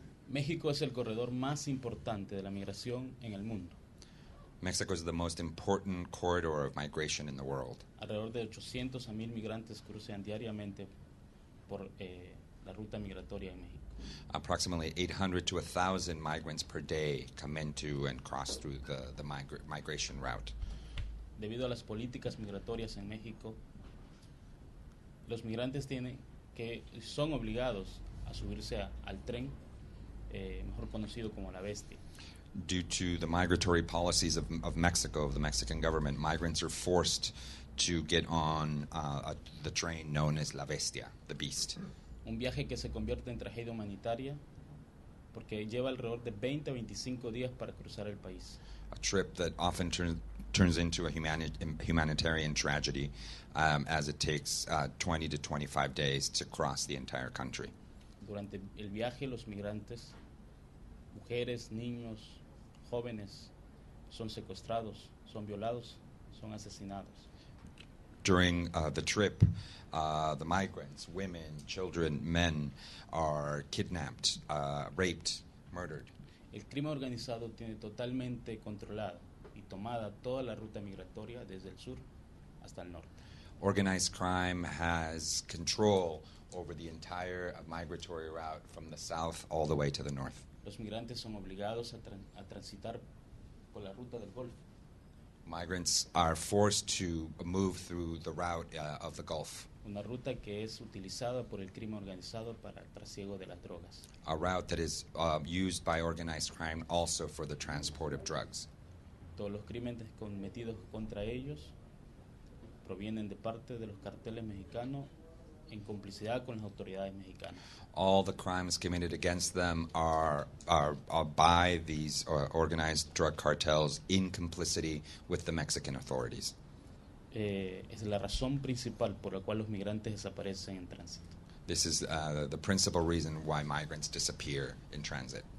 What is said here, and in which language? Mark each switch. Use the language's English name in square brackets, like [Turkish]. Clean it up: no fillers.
[Spanish] México es el corredor más importante de la migración en el mundo. [English] Mexico is the most important corridor of migration in the world. [Spanish] Alrededor de 800 a 1,000 migrantes cruzan diariamente por la ruta migratoria en México. [English] Approximately 800 to 1,000 migrants per day come into and cross through the migration route. [Spanish] Debido a las políticas migratorias en México, los migrantes tienen que son obligados a subirse al tren, mejor conocido como la bestia. [English] Due to the migratory policies of Mexico, of the Mexican government, migrants are forced to get on the train known as la bestia, the beast. [Spanish] Un viaje que se convierte en tragedia humanitaria porque lleva alrededor de 20 a 25 días para cruzar el país. [English] A trip that often turns into a humanitarian tragedy as it takes 20 to 25 days to cross the entire country. [Spanish] Durante el viaje, los migrantes, mujeres, niños, jóvenes, son secuestrados, son violados, son asesinados. [English] During the trip, the migrants, women, children, men, are kidnapped, raped, murdered. [Spanish] El crimen organizado tiene totalmente controlada y tomada toda la ruta migratoria desde el sur hasta el norte. [English] Organized crime has control over the entire migratory route from the south all the way to the north. [Spanish] Los migrantes son obligados a transitar por la ruta del Golfo. [English] Migrants are forced to move through the route of the Gulf. [Spanish] Una ruta que es utilizada por el crimen organizado para el trasiego de las drogas. [English] A route that is used by organized crime also for the transport of drugs. [Spanish] Todos los crímenes cometidos contra ellos provienen de parte de los carteles mexicanos en complicidad con las autoridades mexicanas. [English] All the crimes committed against them are by these organized drug cartels in complicity with the Mexican authorities. [Spanish] Es la razón principal por la cual los migrantes desaparecen en tránsito. [English] This is the principal reason why migrants disappear in transit.